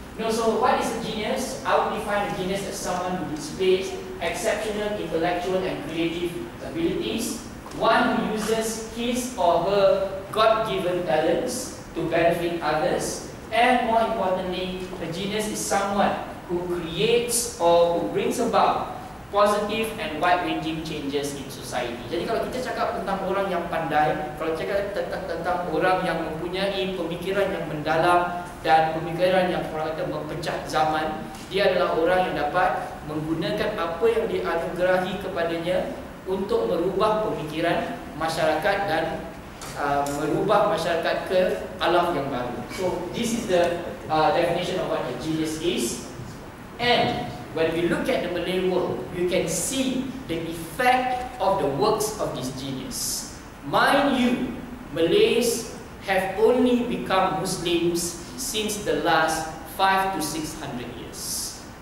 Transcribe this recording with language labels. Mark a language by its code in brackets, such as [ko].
[en] Now, so what is a genius? I would define a genius as someone who displays exceptional intellectual and creative abilities, one who uses his or her God-given talents to benefit others. And more importantly, a genius is someone who creates or who brings about positive and wide-ranging changes in society. [ms] Jadi kalau kita cakap tentang orang yang pandai, kalau kita cakap tentang orang yang mempunyai pemikiran yang mendalam dan pemikiran yang orang kata mempecah zaman, dia adalah orang yang dapat menggunakan apa yang dianugerahi kepadanya untuk merubah pemikiran masyarakat dan merubah masyarakat ke alam yang baru. [en] So this is the definition of what a genius is. And when we look at the Malay world, you can see the effect of the works of this genius. Mind you, Malays have only become Muslims since the last 500 to 600 years.